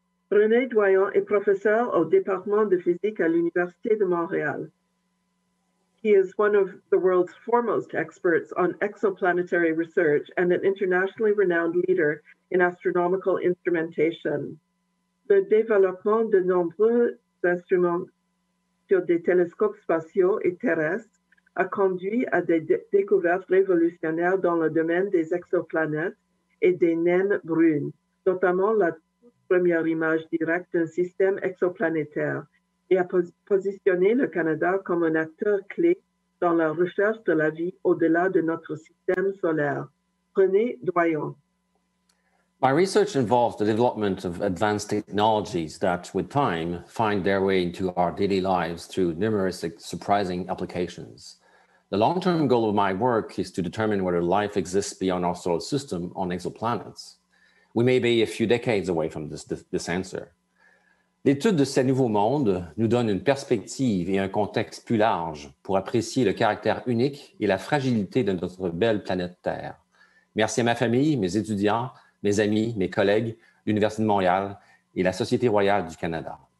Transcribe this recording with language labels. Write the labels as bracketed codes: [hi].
[fr] René Doyon est professeur au département de physique à l'Université de Montréal. [en] He is one of the world's foremost experts on exoplanetary research and an internationally renowned leader in astronomical instrumentation. [fr] Le développement de nombreux instruments sur des télescopes spatiaux et terrestres a conduit à des découvertes révolutionnaires dans le domaine des exoplanètes et des naines brunes, notamment la première image directe d'un système exoplanétaire, et a positionné le Canada comme un acteur clé dans la recherche de la vie au-delà de notre système solaire. René Doyon. [en] My research involves the development of advanced technologies that, with time, find their way into our daily lives through numerous surprising applications. The long-term goal of my work is to determine whether life exists beyond our solar system on exoplanets. We may be a few decades away from this answer. [fr] L'étude de ces nouveaux mondes nous donne une perspective et un contexte plus large pour apprécier le caractère unique et la fragilité de notre belle planète Terre. Merci à ma famille, mes étudiants, mes amis, mes collègues, l'Université de Montréal et la Société royale du Canada.